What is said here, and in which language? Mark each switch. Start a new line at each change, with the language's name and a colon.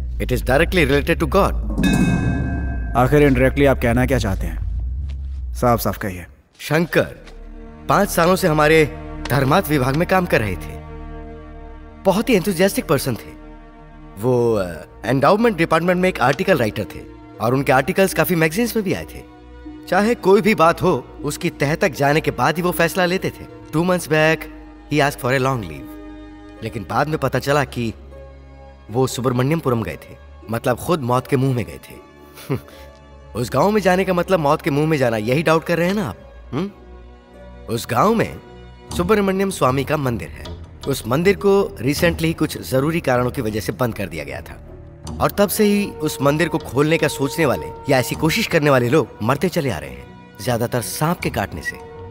English: It is directly related to God.
Hindi: आखिर indirectly आप कहना क्या चाहते हैं? साफ साफ कहिए। शंकर 5 सालों से हमारे धर्मार्थ विभाग में काम कर रहे थे। बहुत ही
English: enthusiastic person
Hindi: थे। वो endowment department में एक आर्टिकल राइटर थे और उनके आर्टिकल्स काफी मैगजीन्स में भी आए थे। चाहे कोई भी बात हो उसकी तह तक जाने के बाद ही वो फैसला लेते थे।
English: 2 months back he asked for a long leave.
Hindi: लेकिन बाद में पता चला कि वो सुब्रमण्यमपुरम गए थे, मतलब खुद मौत के मुंह में गए थे। उस गांव में जाने का मतलब मौत के मुंह में जाना, यही डाउट कर रहे हैं ना आप? उस गांव में सुब्रमण्यम स्वामी का मंदिर है। उस मंदिर को रिसेंटली कुछ जरूरी कारणों की वजह से बंद कर दिया गया था, और तब से ही उस मंदिर को खोलने का सोचने वाले या ऐसी कोशिश करने वाले लोग मरते चले आ रहे हैं, ज्यादातर सांप के काटने से।